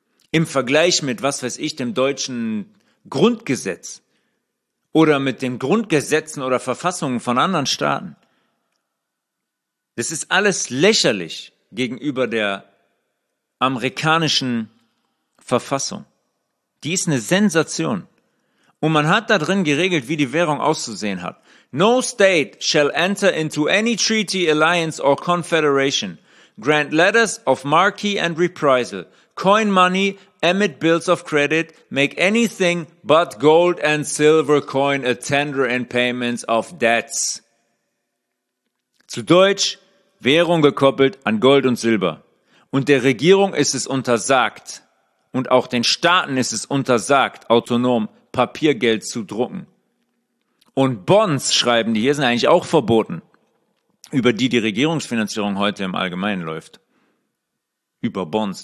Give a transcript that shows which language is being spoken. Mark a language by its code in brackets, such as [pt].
[de] Im Vergleich mit, was weiß ich, dem deutschen Grundgesetz oder mit den Grundgesetzen oder Verfassungen von anderen Staaten. Das ist alles lächerlich gegenüber der amerikanischen Verfassung. Die ist eine Sensation. Und man hat da drin geregelt, wie die Währung auszusehen hat. [en] No state shall enter into any treaty, alliance or confederation, grant letters of marque and reprisal, coin money, emit bills of credit, make anything but gold and silver coin a tender in payments of debts. [de] Zu Deutsch, Währung gekoppelt an Gold und Silber. Und der Regierung ist es untersagt, und auch den Staaten ist es untersagt, autonom Papiergeld zu drucken. Und Bonds, schreiben die hier, sind eigentlich auch verboten, über die die Regierungsfinanzierung heute im Allgemeinen läuft. Über Bonds.